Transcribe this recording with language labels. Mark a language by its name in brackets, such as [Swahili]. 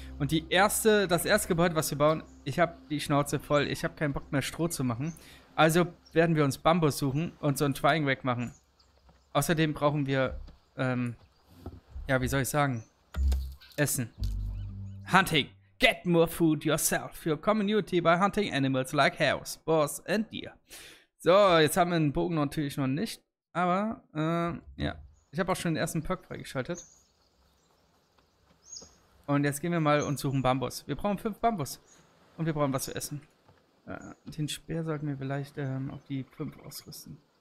[German] Und das erste Gebäude, was wir bauen, ich habe die Schnauze voll. Ich habe keinen Bock mehr, Stroh zu machen. Also werden wir uns Bambus suchen und so ein Twine Rack machen. Außerdem brauchen wir, ja, wie soll ich sagen? [English] Essen. Hunting. Get more food yourself. Your community by hunting animals like hares, boars and deer. [German] So, jetzt haben wir einen Bogen natürlich noch nicht. Aber, ja. Ich habe auch schon den ersten Perk freigeschaltet. Und jetzt gehen wir mal und suchen Bambus. Wir brauchen 5 Bambus. Und wir brauchen was zu essen. Den Speer sollten wir vielleicht auf die 5 ausrüsten.